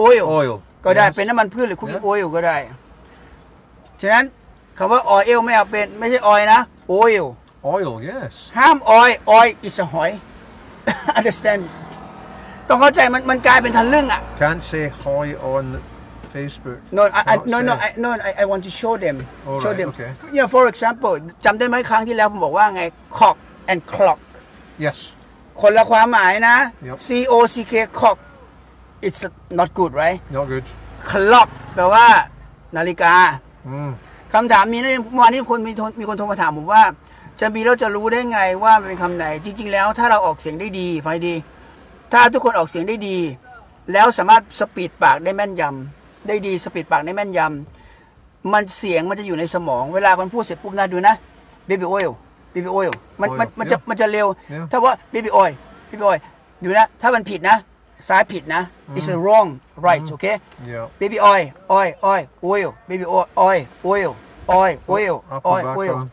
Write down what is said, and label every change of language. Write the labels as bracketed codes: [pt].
[th] oil. ก็ได้เป็นน้ำมันพืชหรือ cooking oil ก็ได้ฉะนั้น คำว่า oil ไม่เอาเป็นไม่ใช่ oil นะ oil [en] oil yes [th] ห้าม oil oil is หอย understand ต้องเข้าใจมันกลายเป็นทะลึ่งอ่ะ [en] can't say hoi on Facebook No, I want to show them right, show them okay. [th] yeah for example จำได้ไหมครั้งที่แล้วผมบอกว่าไง cock and clock [en] yes [th] คนละความหมายนะ [en] yep. cock cock it's not good right not good [th] clock แปลว่านาฬิกาคำถามมีนะเมื่อวานนี้มีคนโทรมาถามผมว่าจำบีเราจะรู้ได้ไงว่าเป็นคำไหนจริงๆแล้วถ้าเราออกเสียงได้ดีฟังดีถ้าทุกคนออกเสียงได้ดีแล้วสามารถสปีดปากได้แม่นยำได้ดีสปีดปากได้แม่นยำมันเสียงมันจะอยู่ในสมองเวลาคนพูดเสร็จปุ๊บนะดูนะ baby oil baby oil มันจะ [en] yeah. [th] มันจะเร็ว [en] yeah. [th] ถ้าว่า baby oil baby oil ดูนะถ้ามันผิดนะซ้ายผิดนะ [en] it's wrong right okay yeah. baby oil oil oil oil baby oil oil oil oil oil oil